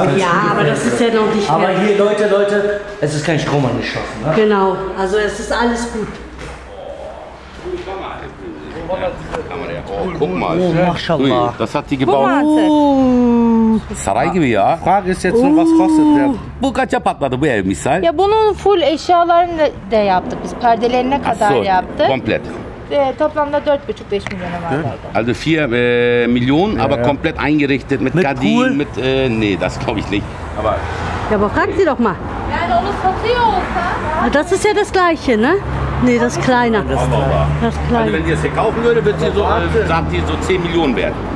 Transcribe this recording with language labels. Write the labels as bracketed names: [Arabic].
[German] ganz ja, aber das ist ja noch nicht mehr. Aber hier, Leute, es ist kein Strom angeschaffen. Ne? Genau, also es ist alles gut. Guck mal, oh, mach schon mal. Das hat die gebaut. [Turkish] Saraygibi ya. [German] Frage ist jetzt nur, was kostet der? [Turkish] Bu kaça patladı bu ev misal? Ya bunun full eşyalarını da yaptık biz. Perdelerine kadar yaptık. Komplet. Toplamda 4,5-5 milyona var orada. [German] Also 4 Millionen, aber komplett eingerichtet mit Gardinen, mit nee, das glaube ich nicht. Aber ja, aber frag sie doch mal. [Turkish] Yani onu satıyor olsa. [German] Das ist ja das gleiche, ne? Nee, das ist kleiner. Das kleine. Wenn die es hier kaufen würde, wird sie so, sagt die so 10 Millionen wert.